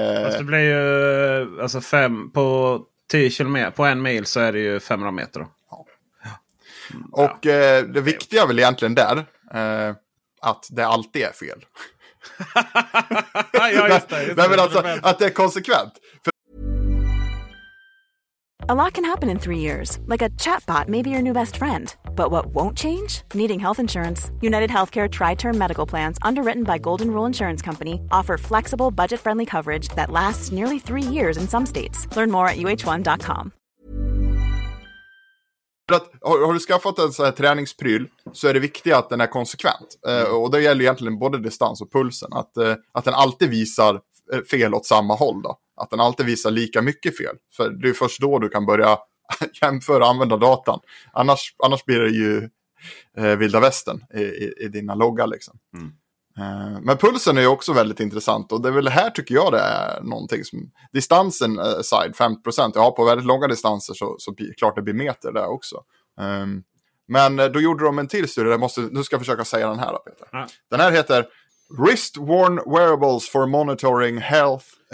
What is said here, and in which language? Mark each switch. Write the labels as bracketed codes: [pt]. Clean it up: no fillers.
[sv] Alltså det blir ju alltså fem på 10 kilometer. På en mil så är det ju 500 meter. Ja. Och det viktiga är väl egentligen där. Att det alltid är fel. Ja, just det. Men alltså, att det är konsekvent. [en] A lot can happen in 3 years, like a chatbot may be your new best friend. But what won't change? Needing health insurance. United Healthcare Tri-Term Medical Plans, underwritten by Golden Rule Insurance Company, offer flexible, budget-friendly coverage that lasts nearly 3 years in some states. Learn more at uh1.com. [sv] Har du skaffat en sån här träningspryl så är det viktigt att den är konsekvent. Och det gäller egentligen både distans och pulsen. Att den alltid visar fel åt samma håll då. Att den alltid visar lika mycket fel. För det är först då du kan börja jämföra och använda datan. Annars blir det ju vilda västern i dina loggar liksom. Mm. Men pulsen är ju också väldigt intressant. Och det är väl här tycker jag det är någonting som... Distansen side, 5%. Ja, på väldigt långa distanser så klart det blir meter där också. Men då gjorde de en till studie. Nu ska jag försöka säga den här då, Peter. Mm. Den här heter... [en] Wrist-worn wearables for monitoring health...